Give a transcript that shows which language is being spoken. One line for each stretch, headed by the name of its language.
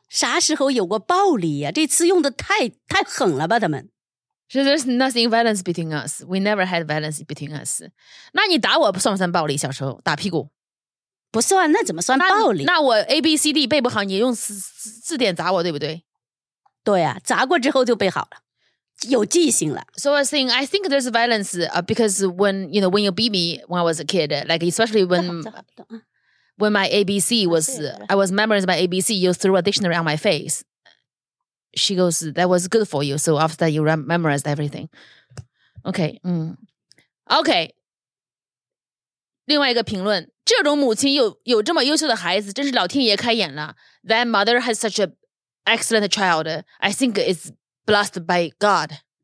Chinese: 我们之间啥时候有过暴力呀?这次用得太狠了吧他们?
English: So there's nothing violence between us. We never had violence between us.
Chinese: 那你打我算不算暴力小时候? 打屁股? 不算,那怎么算暴力? 那我ABCD 背不好, 你用字典砸我, 对不对? 对啊, 砸过之后就背好了。有记性了。
English: So I think there's violence because when you beat me when I was a kid, like especially when my ABC was I was memorizing my ABC, you threw a dictionary on my face. She goes, that was good for you. So after that, you memorized everything. Okay.
Chinese: 另外一个评论，这种母亲有这么优秀的孩子，真是老天爷开眼了。
English: That mother has such an excellent child. I think it's blessed by God.